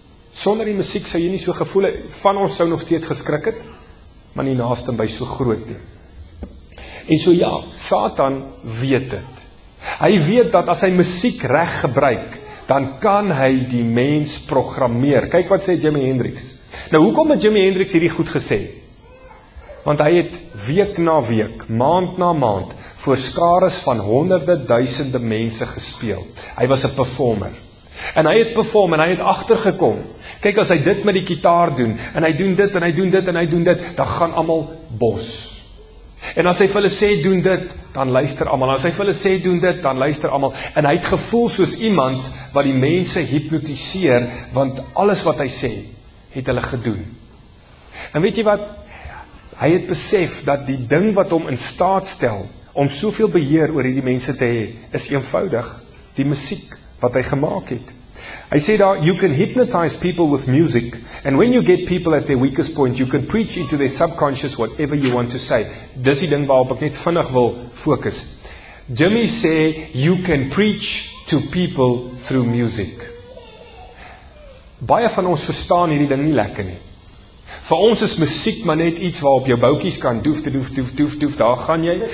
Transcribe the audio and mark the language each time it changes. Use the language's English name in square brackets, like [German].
[Afrikaans] Sonder die musiek sou jy nie so gevoel het, van ons sou nog steeds geskrik het, maar nie naaste by so groot nie. En so ja, Satan weet het. Hy weet dat as hy musiek reg gebruik, dan kan hy die mens programmeer. Kyk wat sê Jimi Hendrix. Nou, hoekom het Jimi Hendrix hierdie goed gesê? Want hy het week na week, maand na maand, voor skares van honderde duisende mense gespeel. Hy was 'n performer. En hy het perform en hy het agtergekom. Kyk, as hy dit met die kitaar doen, en hy doen dit, en hy doen dit, en hy doen dit, dan gaan allemaal bos. En as hy vir hulle sê, doen dit, dan luister allemaal. As hy vir hulle sê, doen dit, dan luister allemaal. En hy het gevoel soos iemand wat die mense hypnotiseer, want alles wat hy sê, het hulle gedoen. En weet jy wat? Hy het besef dat die ding wat hom in staat stel, om soveel beheer oor die mense te hê, is eenvoudig die musiek wat hy gemaak het. [English] Hy sê daar, you can hypnotize people with music, and when you get people at their weakest point, you can preach into their subconscious whatever you want to say. [Afrikaans] Dis die ding waarop ek net vinnig wil fokus. Jimmy sê, you can preach to people through music. Baie van ons verstaan hierdie ding nie lekker nie. Vir ons is musiek maar net iets waarop jou boukies kan doef, doef, doef, doef, doef, daar gaan jy.